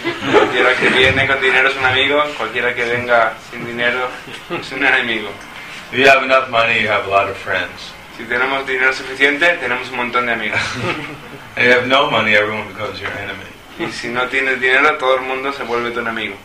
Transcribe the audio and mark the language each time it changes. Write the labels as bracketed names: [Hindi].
[Spanish] Cualquiera que viene con dinero es un amigo. Cualquiera que venga sin dinero es un enemigo. [English] If you have enough money, you have a lot of friends. [Spanish] Si tenemos dinero suficiente, tenemos un montón de amigos. [English] If you have no money, everyone becomes your enemy. [Spanish] Y si no tienes dinero, todo el mundo se vuelve tu enemigo.